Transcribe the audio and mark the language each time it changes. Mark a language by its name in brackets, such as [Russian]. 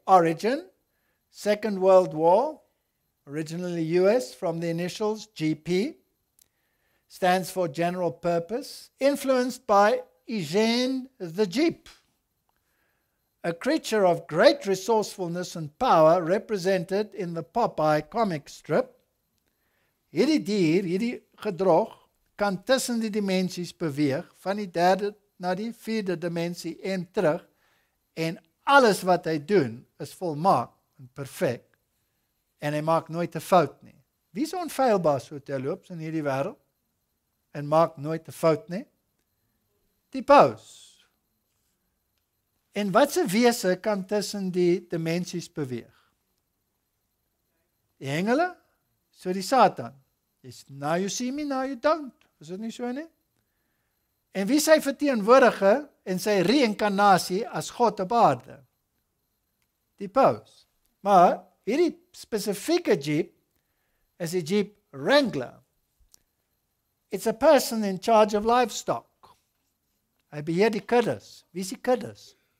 [English] Origin, Second World War, originally US from the initials GP, stands for General Purpose, influenced by Eugene the Jeep. A creature of great resourcefulness and power represented in the Popeye comic strip. [Afrikaans] Hierdie dier, hierdie gedrog, kan tussen die dimensies beweeg, van die derde na die vierde dimensie en terug, en alles wat hy doen is volmaak en perfek, en hy maak nooit 'n fout nie. Wie is onfeilbaar so terloops in hierdie wêreld en maak nooit 'n fout nie? Die paus. En watse wese kan tussen die dimensies beweeg? Die engele? So die Satan. [English] Yes, now you see me, now you don't. [Afrikaans] Is dit nie so nie? En wie sy verteenwoordige en sy reïnkarnasie as God op aarde? Die paus. Maar hierdie spesifieke Jeep is die Jeep Wrangler. [English] It's a person in charge of livestock. [Afrikaans] Hy beheer die kuddes. Wie is die kuddes?